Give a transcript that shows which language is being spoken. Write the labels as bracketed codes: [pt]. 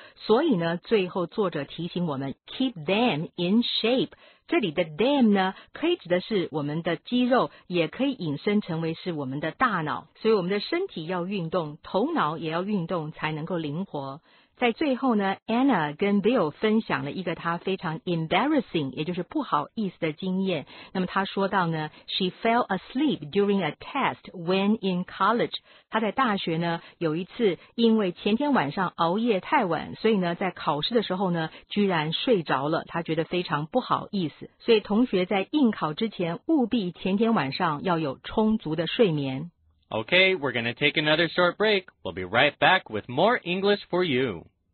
[zh] 所以呢最后作者提醒我们 [en] keep them in shape， [zh] 这里的 them 呢可以指的是我们的肌肉，也可以引申成为是我们的大脑，所以我们的身体要运动，头脑也要运动才能够灵活。在最后呢， Anna 跟 Bill 分享了一个她非常 embarrassing 也就是不好意思的经验。那么她说到呢， [en] She fell asleep during a test when in college。 [zh] 她在大学呢有一次因为前天晚上熬夜太晚，所以呢在考试的时候呢居然睡着了，她觉得非常不好意思。所以同学在应考之前务必前天晚上要有充足的睡眠。 [en] Okay, we're going to take another short break. We'll be right back with more English for you.